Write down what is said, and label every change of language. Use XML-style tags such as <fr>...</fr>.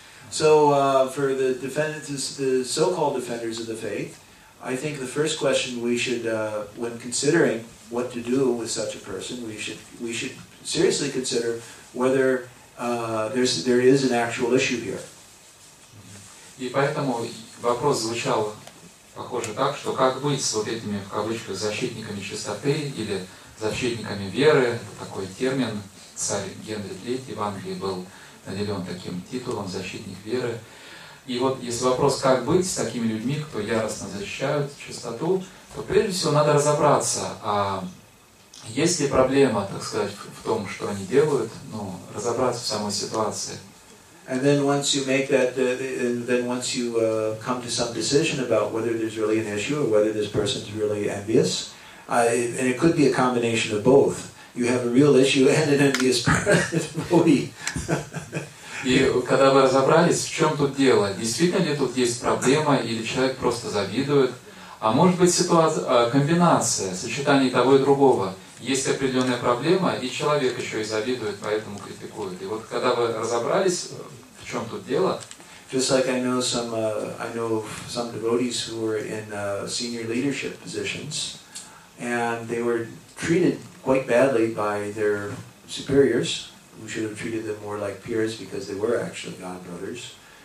<en>So for the defenders, the so-called defenders of the faith, I think the first question we should, when considering what to do with such a person, we should seriously consider whether there is an actual issue here.</en> <ru>И поэтому вопрос звучал похоже так, что как быть с вот этими в кавычках защитниками чистоты или защитниками веры, такой термин царь Генри III в Англии был наделен таким титулом защитник веры. И вот если вопрос, как быть с такими людьми, кто яростно защищают чистоту, то прежде всего надо разобраться, а есть ли проблема, так сказать, в том, что они делают, ну, разобраться в самой ситуации. And then once you make that, then once you come to some decision about whether there's really an issue or whether this person's really envious, and it could be a combination of both. You have a real issue and an envious body. И когда вы разобрались, в чем тут дело? Действительно ли тут есть проблема, или человек просто завидует? А может быть ситуация, комбинация, сочетание того и другого? Есть определенная проблема, и человек еще и завидует, поэтому критикует. И вот когда вы разобрались, в чем тут дело?</ru> <en>Just like I know some devotees who were in senior leadership positions, and they were treated quite badly by their superiors, who should have treated them more like peers because they were actually god brothers.</en>